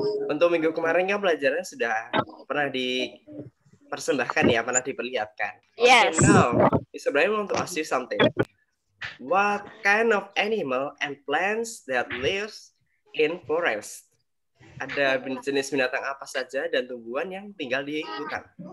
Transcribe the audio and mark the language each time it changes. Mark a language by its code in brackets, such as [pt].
[id] Untuk minggu kemarin kan pelajarannya sudah pernah dipersembahkan ya, pernah diperlihatkan. [en] Okay, yes. Now, Mr. Brian want to ask you something. What kind of animal and plants that lives in forest? [id] Ada jenis binatang apa saja dan tumbuhan yang tinggal di hutan?